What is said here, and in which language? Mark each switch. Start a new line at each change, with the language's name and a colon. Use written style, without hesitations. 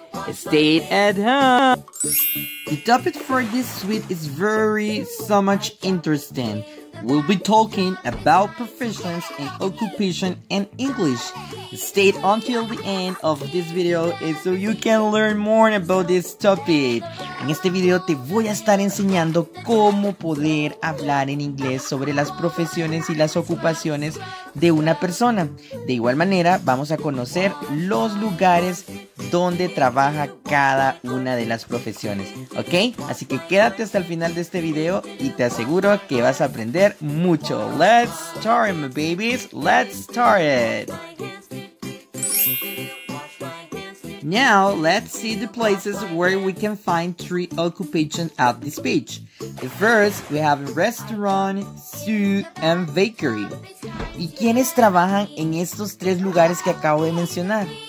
English: Stay at home. The topic for this week is very so much interesting. We'll be talking about professions and occupation in English. Stay until the end of this video so you can learn more about this topic.
Spanish: En este video te voy a estar enseñando cómo poder hablar en inglés sobre las profesiones y las ocupaciones de una persona. De igual manera, vamos a conocer los lugares donde trabaja cada una de las profesiones, ¿ok? Así que quédate hasta el final de este video y te aseguro que vas a aprender mucho.
English: Let's start it, my babies. Let's start it. Now, let's see the places where we can find 3 occupations at this page. The first, we have a restaurant, zoo, and bakery.
Spanish: ¿Y quiénes trabajan en estos 3 lugares que acabo de mencionar?